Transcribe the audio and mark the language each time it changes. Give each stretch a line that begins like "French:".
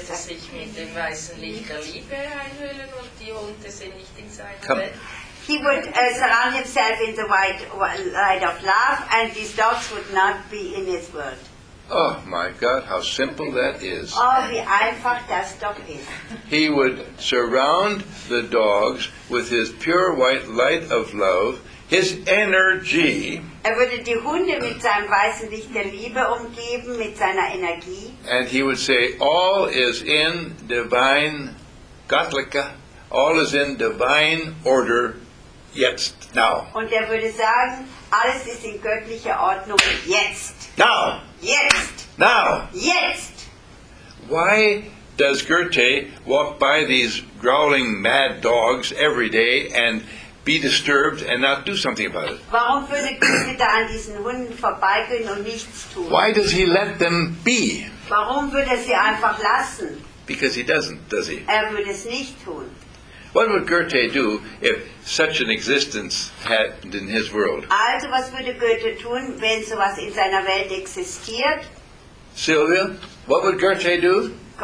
German: Er wird sich mit dem weißen Licht der Liebe einhüllen und die Hunde sind nicht in seinem Bett.
English: He would surround himself in the white light of love and these dogs would not be in his world. Oh my God, how simple that is.
German: Oh, wie einfach das doch ist.
English: He would surround the dogs with his pure white light of love, his energy.
German: Er würde die Hunde mit seinem weißen Licht der Liebe umgeben, mit seiner Energie.
English: And he would say, all is in divine Gottlicke, all is in divine order, jetzt, now.
German: Und er würde sagen, alles ist in göttlicher Ordnung, jetzt.
English: Now.
German: Jetzt.
English: Now.
German: Jetzt.
English: Why does Goethe walk by these growling mad dogs every day and be disturbed and not do something about it?
German: Warum würde Goethe da an diesen Hunden vorbeigehen und nichts tun?
English: Why does he let them be?
German: Warum würde er sie einfach lassen?
English: Because he doesn't, does he?
German: Er würde es nicht tun.
English: What would Goethe do if such an existence happened in his world?
German: Also, was würde Goethe tun, wenn sowas in seiner Welt existiert?
English: Sylvia, what would Goethe do?